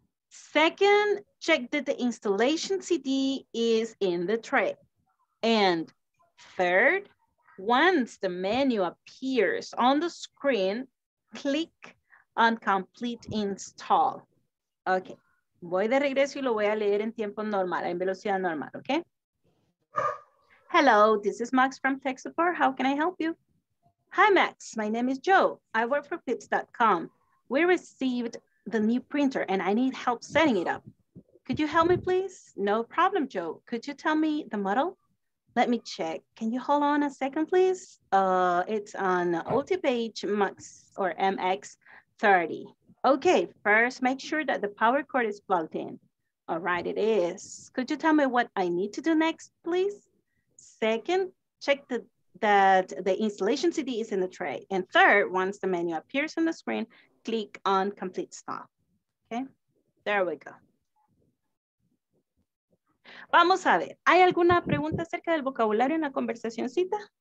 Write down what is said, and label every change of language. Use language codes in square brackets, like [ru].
[en] Second, check that the installation CD is in the tray. And third, once the menu appears on the screen, click on complete install. [es] Okay, voy de regreso y lo voy a leer en tiempo normal, en velocidad normal, okay? [en] Hello, this is Max from Tech Support. How can I help you? Hi, Max. My name is Joe. I work for pips.com. We received the new printer and I need help setting it up. Could you help me please? No problem, Joe. Could you tell me the model? Let me check. Can you hold on a second please? It's on UltiPage Max or MX30. Okay, first make sure that the power cord is plugged in. All right, it is. Could you tell me what I need to do next please? Second, check that the installation CD is in the tray. And third, once the menu appears on the screen, click on complete stop. Okay, there we go. [es] Vamos a ver, ¿hay alguna pregunta acerca del vocabulario en la conversacioncita?